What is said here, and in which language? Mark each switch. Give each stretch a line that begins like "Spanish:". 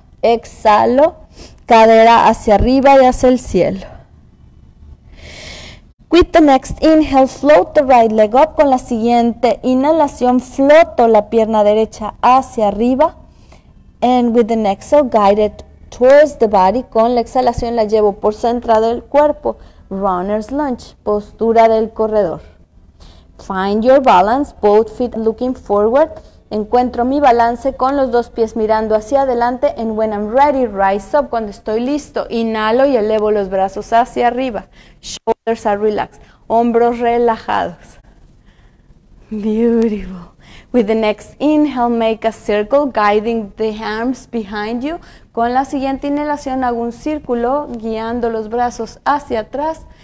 Spanish: Exhalo, cadera hacia arriba y hacia el cielo.
English: With the next inhale, float the right leg up.
Spanish: Con la siguiente inhalación, floto la pierna derecha hacia arriba,
English: and with the next exhale, guide it towards the body.
Spanish: Con la exhalación, la llevo por centrado del cuerpo,
English: runner's lunge,
Spanish: postura del corredor.
English: Find your balance, both feet looking forward.
Spanish: Encuentro mi balance con los dos pies mirando hacia adelante.
English: And when I'm ready, rise up.
Spanish: Cuando estoy listo, inhalo y elevo los brazos hacia arriba.
English: Shoulders are relaxed.
Spanish: Hombros relajados.
English: Beautiful. With the next inhale, make a circle, guiding the arms behind you.
Spanish: Con la siguiente inhalación, hago un círculo, guiando los brazos hacia atrás.